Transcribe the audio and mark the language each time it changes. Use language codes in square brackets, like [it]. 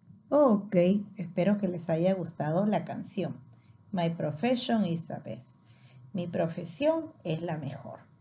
[es] Ok, espero que les haya gustado la canción. [en] My profession is the best. [es] Mi profesión es la mejor.